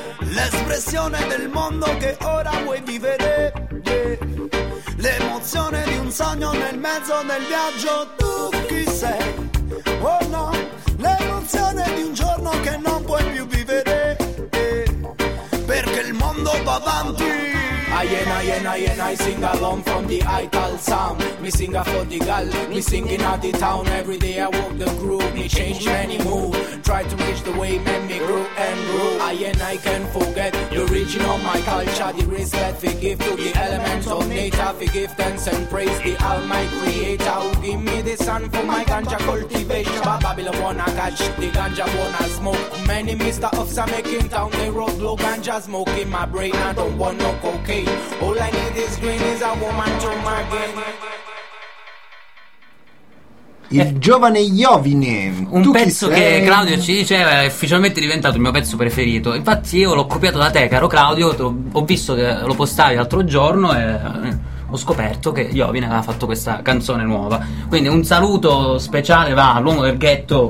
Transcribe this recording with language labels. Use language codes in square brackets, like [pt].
[it] L'espressione del mondo che ora vuoi vivere, l'emozione di un sogno nel mezzo del viaggio. Tu chi sei? Oh no, l'emozione di un giorno che non puoi più vivere, perché il mondo va avanti. [en] I sing along from the Ital sound. Me sing for the girl, me singing at the town. Every day I walk the groove, me change many mood. Try to reach the way, make me grow and grow. I can't forget the region of my culture. culture, the respect we give to the elements of nature. We give thanks and praise the Almighty Creator, who give me the sun for my ganja cultivation. But Babylon wanna catch the ganja, wanna smoke. Many Mr. Officer making town they road low ganja smoke in my brain. I don't want no cocaine. All I need is green is a woman to my brain. [it] Il giovane Iovine, un pezzo che Claudio ci diceva è ufficialmente diventato il mio pezzo preferito. Infatti io l'ho copiato da te, caro Claudio, ho visto che lo postavi l'altro giorno e ho scoperto che Iovine aveva fatto questa canzone nuova. Quindi un saluto speciale va all'uomo del ghetto,